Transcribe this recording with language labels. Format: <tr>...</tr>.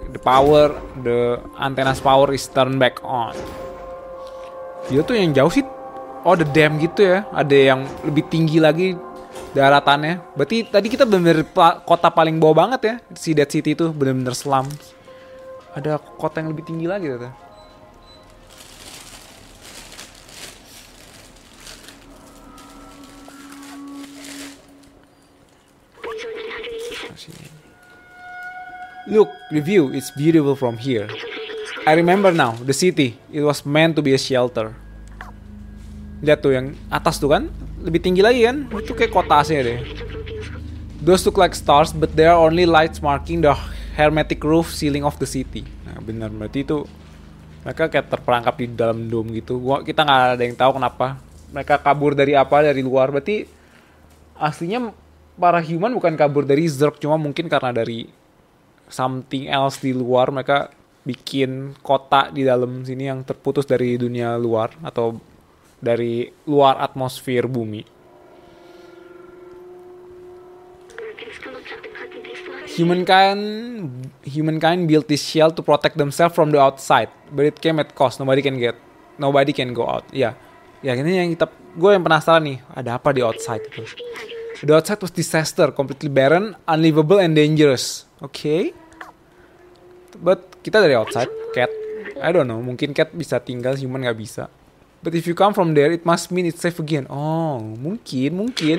<en>The power, the antenna's power is turned back on.</en> <id>Dia tuh yang jauh sih. Oh, the dam gitu ya. Ada yang lebih tinggi lagi daratannya. Berarti tadi kita benar-benar kota paling bawah banget ya. Si Dead City itu benar-benar selam. Ada kota yang lebih tinggi lagi tuh.</id> <en>Look, the view. It's beautiful from here. I remember now, the city. It was meant to be a shelter.</en> <id>Lihat tuh yang atas tuh kan, lebih tinggi lagi kan, itu kayak kota aslinya deh.</id> <en>Those look like stars, but there are only lights marking the hermetic roof ceiling of the city.</en> <id>Nah, bener, berarti itu mereka kayak terperangkap di dalam dome gitu. Kita gak ada yang tahu kenapa mereka kabur dari apa, dari luar. Berarti aslinya para human bukan kabur dari Zerg, cuma mungkin karena dari something else di luar. Mereka bikin kota di dalam sini yang terputus dari dunia luar atau dari luar atmosfer bumi.</id> <en>Humankind built this shell to protect themselves from the outside, but it came at cost. Nobody can go out.</en> <id>Ya, ini yang kita, gue yang penasaran nih, ada apa di outside itu?</id> <en>The outside was disaster, completely barren, unlivable, and dangerous. Okay.</en> <id>But kita dari outside, cat. I don't know, mungkin cat bisa tinggal, human nggak bisa.</id> <en>But if you come from there, it must mean it's safe again. Oh, mungkin.</en>